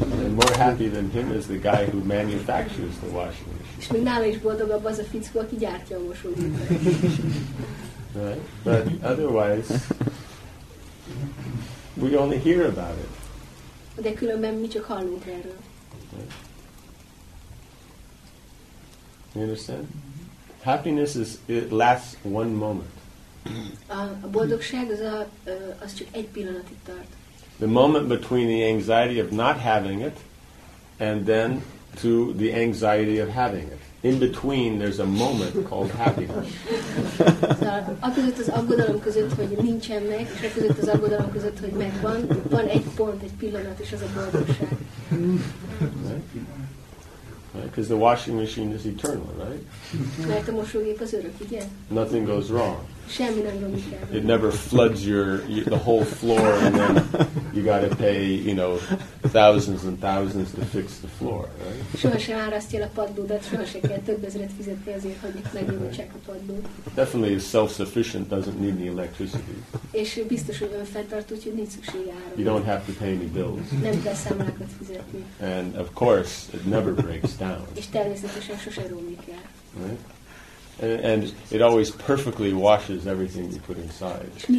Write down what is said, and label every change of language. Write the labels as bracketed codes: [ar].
[en] More happy than him is the guy who manufactures the washing machine. [hu] És még nála is boldogabb az a fickó, aki gyártja a mosógépet. [en] Right? But otherwise, we only hear about it. [hu] De különben mi csak hallunk erről. [en] Okay. You understand? Happiness is it lasts one moment. [hu] A boldogság az csak egy pillanatig tart. [en] The moment between the anxiety of not having it and then to the anxiety of having it. In between, there's a moment called happiness. [hu] A között az aggodalom között, hogy nincsen meg, és a között az aggodalom között, hogy megvan, van egy pont, egy pillanat, és az a boldogság. [en] Right? Because the washing machine is eternal, right? [hu] Mert a mosógép az örök, igen? [en] Nothing goes wrong. [hu] Semmi nem romlik el. [en] It never floods the whole floor, and then you got to pay, you know, thousands and thousands to fix the floor, right? [hu] Soha sem árasztja el a padlódat, soha sem kell több ezeret fizetni azért, hogy megjavítsák a padlót. [en] Definitely is self-sufficient, doesn't need any electricity. [hu] És biztos, hogy önfenntartó, úgyhogy nincs szükség áramra. [en] You don't have to pay any bills. [hu] Nem kell számlákat fizetni. [en] And of course, it never breaks down. [hu] És természetesen sose romlik el. [en] And it always perfectly washes everything you put inside.